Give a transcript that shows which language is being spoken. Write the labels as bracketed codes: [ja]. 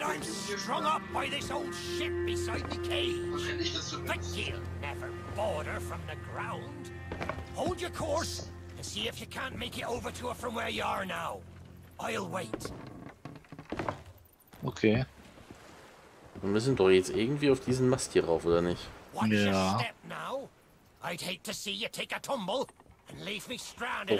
[en] I'm strung up by this old ship beside the cage. But ye'll never border from the ground. Hold your course and see if you can't make it over to her from where you are now. I'll wait. Okay. [de] Wir müssen doch jetzt irgendwie auf diesen Mast hier rauf, oder nicht? [en] Ja. I'd hate to see you take a tumble and leave me stranded.